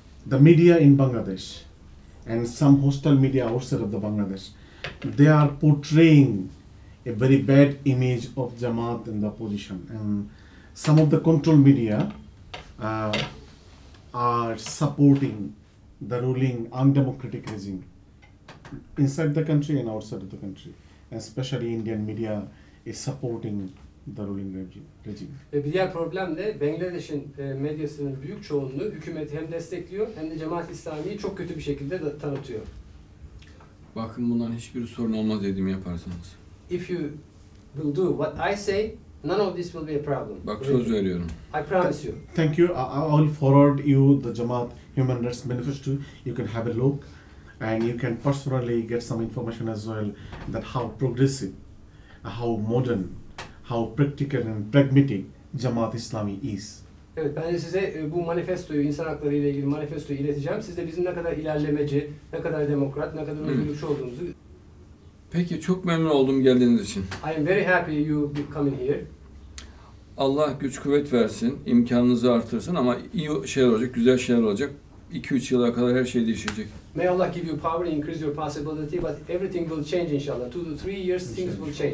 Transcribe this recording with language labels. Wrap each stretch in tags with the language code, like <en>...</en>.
<en>The media in Bangladesh and some hostile media outside of the Bangladesh, they are portraying a very bad image of Jamaat and the opposition, and some of the control media are supporting the ruling undemocratic regime inside the country and outside of the country, and especially Indian media is supporting the ruling regime.</en> <tr>Bir diğer problem de Bangladesh'in medyasının büyük çoğunluğu hükümeti hem destekliyor hem de Cemaat İslami'yi çok kötü bir şekilde de tanıtıyor. Bakın, bundan hiçbir sorun olmaz dediğimi yaparsanız.</tr> <en>If you will do what I say, none of this will be a problem.</en> <tr>Bak, söz veriyorum.</tr> <en>I promise you. Thank you. I will forward you the Jamaat Human Rights Manifesto. You can have a look, and you can personally get some information as well that how progressive, how modern, how practical and pragmatic Cemaat İslami is.</en> <tr>Evet, ben de size bu manifestoyu, insan hakları ile ilgili manifestoyu ileteceğim. Siz de bizim ne kadar ilerlemeci, ne kadar demokrat, ne kadar özgürlükçü olduğumuzu... Peki, çok memnun oldum geldiğiniz için.</tr> <en>I am very happy you be coming here.</en> <tr>Allah güç kuvvet versin, imkanınızı artırsın ama iyi şeyler olacak, güzel şeyler olacak. 2-3 yıla kadar her şey değişecek.</tr> <en>May Allah give you power, increase your possibility, but everything will change inshallah. 2-3 years, things will change.</en>